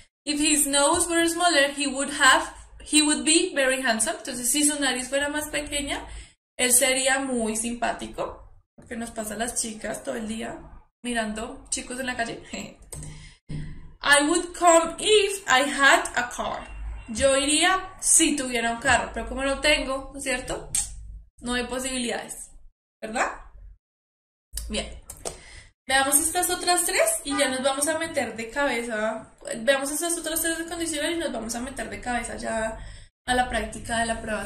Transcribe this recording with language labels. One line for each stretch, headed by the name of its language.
English: If his nose were smaller, he would be very handsome.
Spanish: Entonces, si su nariz fuera más pequeña, él sería muy simpático. Porque nos pasa a las chicas todo el día mirando chicos en la calle.
English: I would come if I had a car.
Spanish: Yo iría si tuviera un carro, pero como no tengo, ¿no es cierto? No hay posibilidades, ¿verdad? Bien. Veamos estas otras tres y ya nos vamos a meter de cabeza. Veamos estas otras tres condiciones y nos vamos a meter de cabeza ya a la práctica de la prueba.